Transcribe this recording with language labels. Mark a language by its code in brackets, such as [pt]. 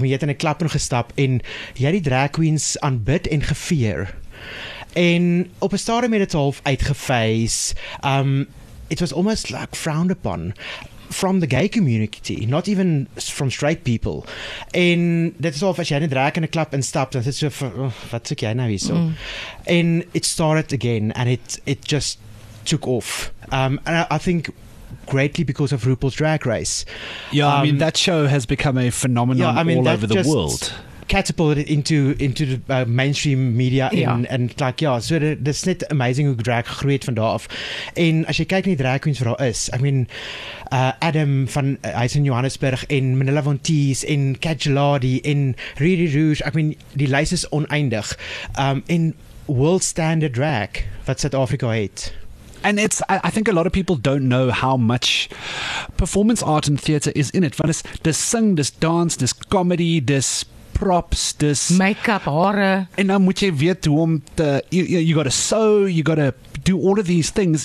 [af] Ek meen, jy het in 'n klap ingestap en jy het die drag queens aanbid en geveer. En op 'n stadium het dit half uitgefase. [en] It was almost like frowned upon from the gay community, not even from straight people. [af] En dit is half, as jy in 'n drag in 'n klub instap, dan is dit so, wat soek jy nou hierso? [en] En it started again, and it just took off. And I think greatly because of RuPaul's Drag Race. Yeah, I mean, that show has become a phenomenon, yeah, I mean, all over the world. Catapulted into the mainstream media, and like, yeah, so it's [af] net amazing hoe drag groeit van daar af. En as jy kyk na die drag queens wat daar is, I mean, Adam van, hy's in Johannesburg, en Manila Von Teese, en Kajaladi, en Riri Rouge, I mean, die lys is oneindig. En world standard drag wat Suid-Afrika het. [en] And it's, I think a lot of people don't know how much performance art and theatre is in it. [af] Want dis sing, dis dance, dis comedy, dis props, dis make-up, hare. En nou moet jy weet hoe om te, [en] you gotta sew, you gotta do all of these things.